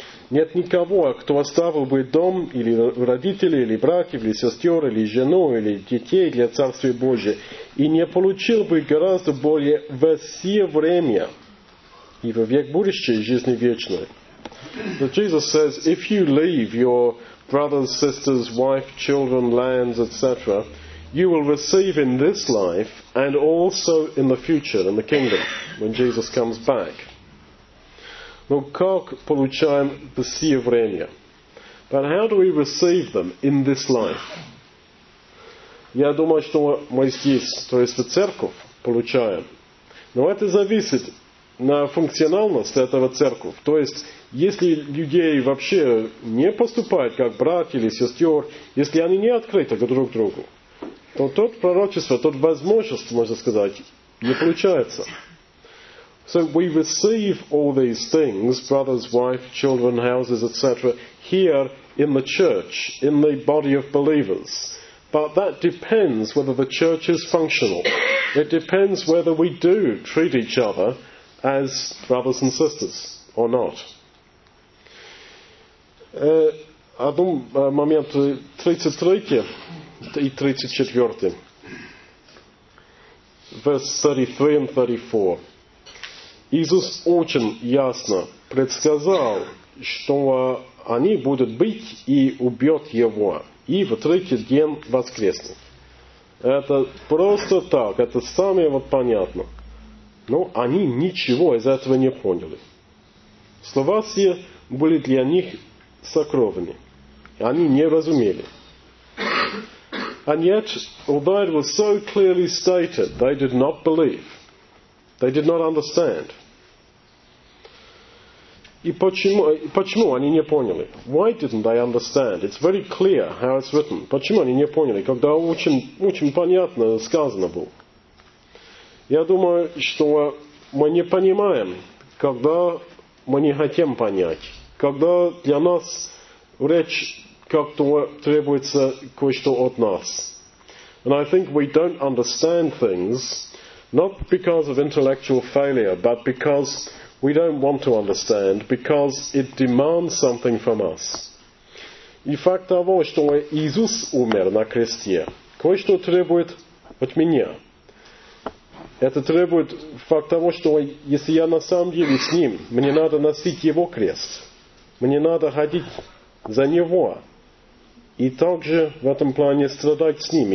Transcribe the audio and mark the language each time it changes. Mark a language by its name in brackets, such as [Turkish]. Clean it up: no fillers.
[Russian] Нет никого, кто оставил бы дом, или родители, или браки, или сестер, или жену, или детей для Царствия Божия, и не получил бы гораздо более во все время и во век будущий жизни вечной. [English] But Jesus says, if you leave your brothers, sisters, wife, children, lands, etc., you will receive in this life and also in the future, in the kingdom, when Jesus comes back. [Russian] Но как получаем все время? [English] But how do we receive them in this life? [Russian] Я думаю, что мы здесь, то есть в церковь, получаем. Но это зависит на функциональность этого церковь. То есть, если людей вообще не поступают как брат или сестер, если они не открыты друг другу, то тот пророчество, тот возможность, можно сказать, не получается. [English] So we receive all these things, brothers, wife, children, houses, etc., here in the church, in the body of believers. But that depends whether the church is functional. It depends whether we do treat each other as brothers and sisters or not. [Russian] Один момент, 33 и 34. [English] Verse 33 and 34. [Russian] Иисус очень ясно предсказал, что они будут бить и убьют его, и в третий день воскреснут. Это просто так, это самое вот понятно. Но они ничего из этого не поняли. Слова все были для них сокровенны. Они не разумели. [English] And yet, although it was so clearly stated, they did not believe. They did not understand. [Russian] И почему они не поняли? [English] Why didn't they understand? It's very clear how it's written. [Russian] Почему они не поняли, когда очень, очень понятно сказано было? Я думаю, что мы не понимаем, когда мы не хотим понять. Когда для нас речь как-то требуется кое-что от нас. [English] And I think we don't understand things, not because of intellectual failure, but because... We don't want to understand because it demands something from us. [Russian] И факт того, что Иисус умер на кресте, кое-что требует от меня. Это требует факт того, что если я на самом деле с Ним, мне надо носить Его крест. Мне надо ходить за Него. И также в этом плане страдать с ними.